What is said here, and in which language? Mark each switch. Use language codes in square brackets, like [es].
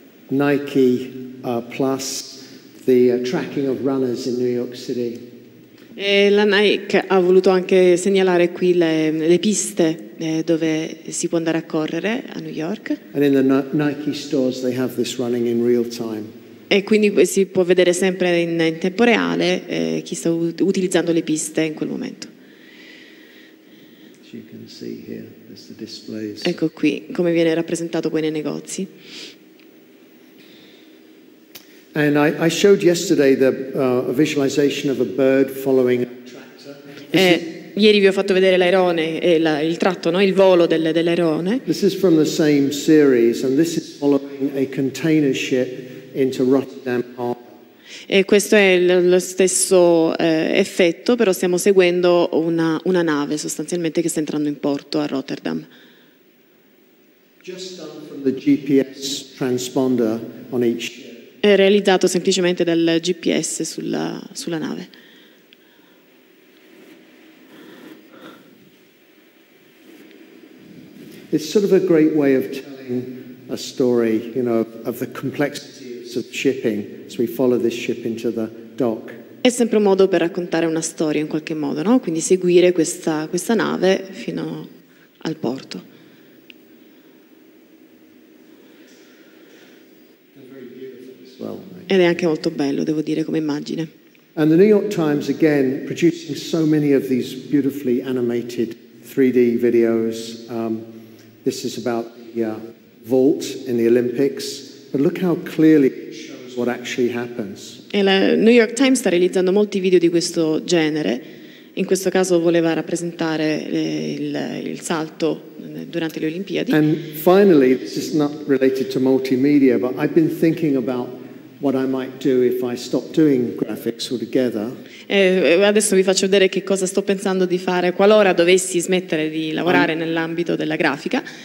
[en] Nike Plus, the tracking of runners in New York City. [it] E la Nike ha voluto anche segnalare qui le piste dove si può andare a correre a New York. [en] And in the Nike stores they have this running in real time. [it] E quindi si può vedere sempre in tempo reale chi sta utilizzando le piste in quel momento. [en] As you can see here, there's the displays. [it] Ecco qui come viene rappresentato poi nei negozi. [en] And I showed yesterday the a visualization of a bird following a tractor. [it] Ieri vi ho fatto vedere l'airone e il tratto, no, il volo dell'airone. [en] This is from the same series, and this is following a container ship into Rotterdam Harbor. [it] E questo è lo stesso effetto, però stiamo seguendo una nave sostanzialmente che sta entrando in porto a Rotterdam. [en] Just done from the GPS transponder on each. [it] È realizzato semplicemente dal GPS sulla nave. [en] It's sort of a great way of telling a story, you know, of the complexities of shipping as we follow this ship into the dock. [it] È sempre un modo per raccontare una storia in qualche modo, no? Quindi seguire questa nave fino al porto. Ed è anche molto bello, devo dire, come immagine. [en] And the New York Times again producing so many of these beautifully animated 3D videos. This is about the vault in the Olympics, but look how clearly it shows what actually happens. [it] E la New York Times sta realizzando molti video di questo genere. In questo caso voleva rappresentare il salto durante le Olimpiadi. [en] And finally, this is not related to multimedia, but I've been thinking about what I might do if I stop doing graphics altogether. [it] Adesso vi faccio vedere che cosa sto pensando di fare qualora dovessi smettere di lavorare nell'ambito della grafica.